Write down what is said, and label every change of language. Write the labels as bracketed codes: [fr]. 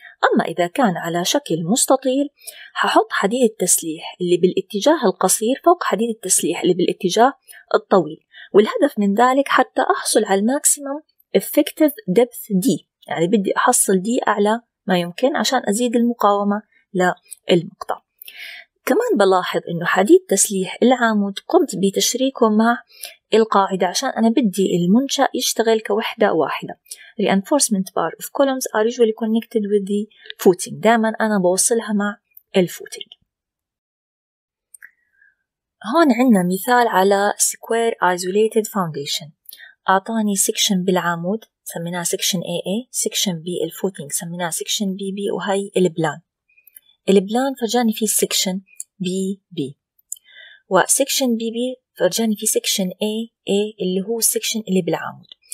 [ar] أما إذا كان على شكل مستطيل ححط حديد التسليح اللي بالاتجاه القصير فوق حديد التسليح اللي بالاتجاه الطويل، والهدف من ذلك حتى أحصل على الماكسيمم effective depth D، يعني بدي أحصل D أعلى ما يمكن عشان أزيد المقاومة للمقطع. كمان بلاحظ أنه حديد تسليح العمود قمت بتشريكه مع القاعدة عشان أنا بدي المنشأ يشتغل كوحدة واحدة. [en] Reinforcement bar of columns are usually connected with the footing، [ar] دائما أنا بوصلها مع الفوتينج. هون عندنا مثال على Square Isolated Foundation، أعطاني سكشن بالعمود سميناه سكشن AA، سكشن B الفوتينج سميناه سكشن BB، وهي البلان. البلان فرجاني فيه سكشن BB، وسكشن BB فرجاني فيه سكشن AA اللي هو السكشن اللي بالعمود.